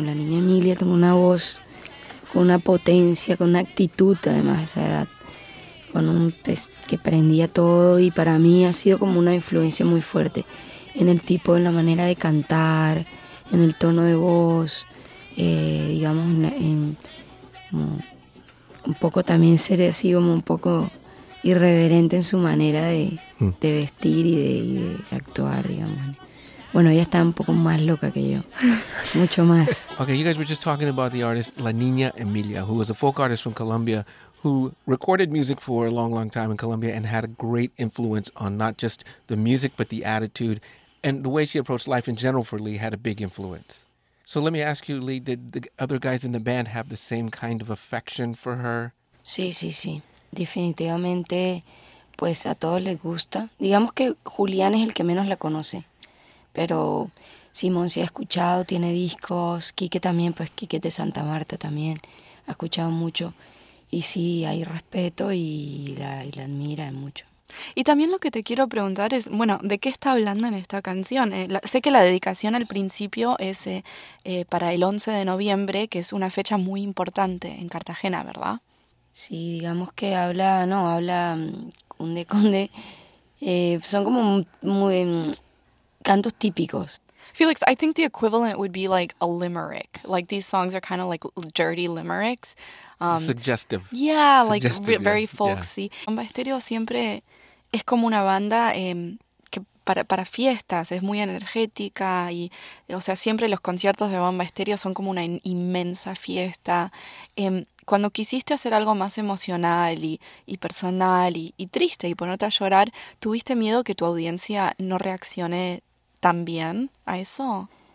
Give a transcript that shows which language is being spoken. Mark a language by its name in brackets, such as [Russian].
[Spanish] La niña Emilia tiene una voz con una potencia, con una actitud, además, a esa edad, con un test que prendía todo, y para mí ha sido como una influencia muy fuerte en el tipo, en la manera de cantar, en el tono de voz, digamos, un poco también ser así como un poco irreverente en su manera de vestir y de actuar, digamos. Bueno, ella está un poco más loca que yo. Mucho más. [English] Okay, you guys were just talking about the artist La Niña Emilia, who was a folk artist from Colombia, who recorded music for a long, long time in Colombia and had a great influence on not just the music, but the attitude and the way she approached life in general for Lee had a big influence. So let me ask you, Lee, did the other guys in the band have the same kind of affection for her? [Spanish] Sí, sí, sí. Definitivamente, pues a todos les gusta. Digamos que Julián es el que menos la conoce. Pero Simón sí ha escuchado, tiene discos, Quique también, pues Quique de Santa Marta también ha escuchado mucho. Y sí, hay respeto y la admira mucho. Y también lo que te quiero preguntar es, bueno, ¿de qué está hablando en esta canción? Sé que la dedicación al principio es para el 11 de noviembre, que es una fecha muy importante en Cartagena, ¿verdad? Sí, digamos que habla conde, son como muy cantos típicos. [English] Felix, I think the equivalent would be like a limerick. Like these songs are kind of like dirty limericks. Suggestive. Yeah, suggestive, like very folksy. Yeah. [Spanish] Bomba Estéreo siempre es como una banda que para fiestas, es muy energética y, o sea, siempre los conciertos de Bomba Estéreo son como una inmensa fiesta. Cuando quisiste hacer algo más emocional y personal y triste y ponerte a llorar, ¿tuviste miedo que tu audiencia no reaccione tan bien a eso?